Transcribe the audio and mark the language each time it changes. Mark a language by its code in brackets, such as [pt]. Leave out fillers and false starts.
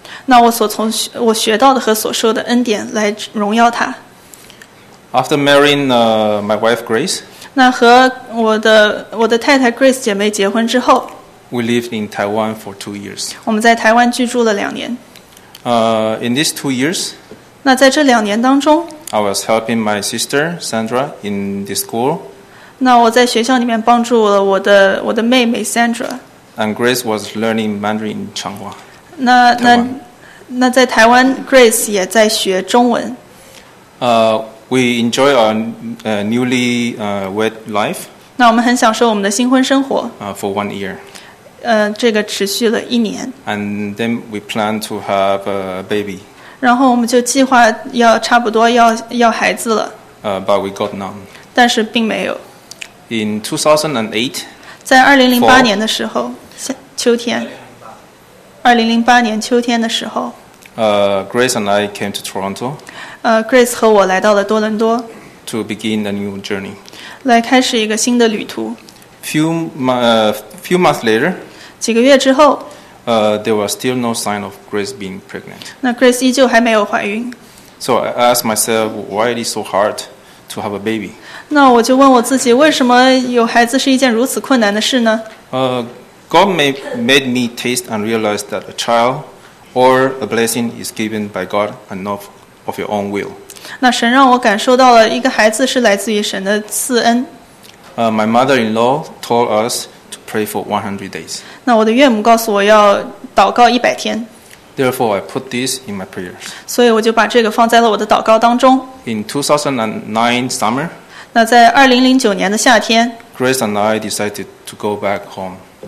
[zh] 那我学到的和所受的恩典来荣耀他。 [en] After marrying my wife Grace. [zh] 那和我的太太 Grace 姐妹结婚之后 [en] ，We lived in Taiwan for 2 years. [zh] 我们在台湾居住了两年。 [en] In these 2 years, [zh] 那在这两年当中 [en] ，I was helping my sister Sandra in the school. [zh] 那我在学校里面帮助了我的妹妹 Sandra. [en] And Grace was learning Mandarin in Changhua. [zh] 那在台湾 Grace 也在学中文。 [en] We enjoy our newly wed life. [zh] 那我们很享受我们的新婚生活。 [en] For 1 year. [zh] 这个持续了一年。 [en] And then we plan to have a baby. [zh] 然后我们就计划要差不多要孩子了。 [en] But we got none. [zh] 但是并没有。 [en] In 2008. [zh] 在2008年的时候，秋天。2008年秋天的时候。 [en] Grace and I came to Toronto. [zh] Grace 和我来到了多伦多。 [en] To begin a new journey. [zh] 来开始一个新的旅途。 [en] Few months later. [zh] 几个月之后。 [en] There was still no sign of Grace being pregnant. [zh] 那 Grace 依旧还没有怀孕。 [en] So I asked myself, why it is so hard to have a baby? [zh] 那我就问我自己，为什么有孩子是一件如此困难的事呢？ [en] God made me taste and realize that a child. Or a blessing is given by God and not of your own will. [zh] 那神让我感受到了一个孩子是来自于神的赐恩。 [en] My mother-in-law told us to pray for 100 days. [zh] 那我的岳母告诉我要祷告100天。 [en] Therefore, I put this in my prayers. [zh] 所以我就把这个放在了我的祷告当中。 [en] In 2009 summer, [zh] 那在2009年的夏天 [en] ,Grace and I decided to go back home.